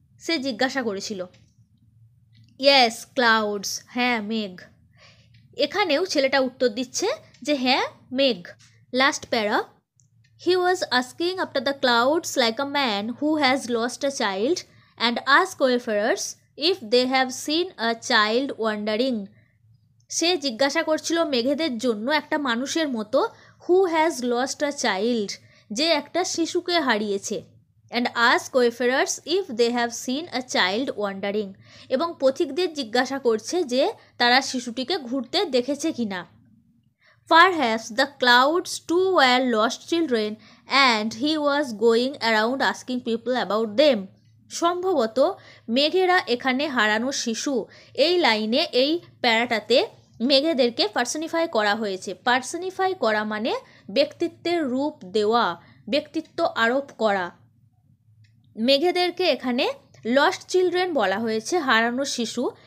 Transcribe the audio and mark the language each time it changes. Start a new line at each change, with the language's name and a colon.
Bangla: Se jiggasha korechilo.
English: Yes, clouds.
Bangla: হ্যাঁ মেঘ। এখানেও ছেলেটা উত্তর দিচ্ছে যে হ্যাঁ মেঘ। লাস্ট প্যারা।
English: He was asking after the clouds like a man who has lost a child and ask wayfarers if they have seen a child wandering.
Bangla: সে জিজ্ঞাসা করছিল মেঘেদের জন্য একটা মানুষের মতো
English: who has lost a child
Bangla: যে একটা শিশুকে হারিয়েছে।
English: And ask wayfarers if they have seen a child wandering.
Bangla: এবং পথিকদের জিজ্ঞাসা করছে যে তারা শিশুটিকে ঘুরতে দেখেছে কিনা.
English: Perhaps the clouds too were lost children and he was going around asking people about them.
Bangla: সম্ভবত মেঘেরা এখানে হারানো শিশু এই লাইনে এই প্যারাটাতে মেঘেদেরকে পার্সনিফাই করা হয়েছে. পার্সনিফাই করা মানে ব্যক্তিত্বের রূপ দেওয়া, ব্যক্তিত্ব আরোপ করা. মেঘেদেরকে এখানে লস্ট চিলড্রেন বলা হয়েছে, হারানো শিশু.